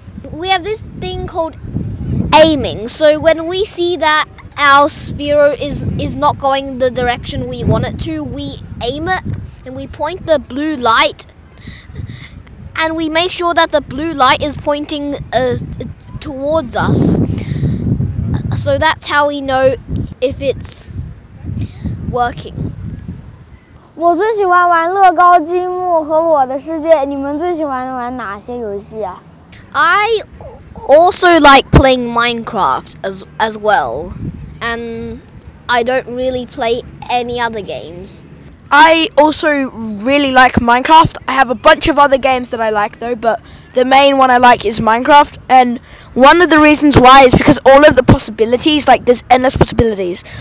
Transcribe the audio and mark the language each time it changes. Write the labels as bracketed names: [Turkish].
[English] We have this thing called aiming. So when we see that our sphero is not going the direction we want it to, we aim it and we point the blue light. And we make sure that the blue light is pointing towards us. So that's how we know if it's working. [Chinese] 我最喜欢玩乐高积木和我的世界，你们最喜欢玩哪些游戏啊？ [English] I also like playing Minecraft as well, and I don't really play any other games. I also really like Minecraft. I have a bunch of other games that I like though, but the main one I like is Minecraft, and one of the reasons why is because all of the possibilities, like there's endless possibilities.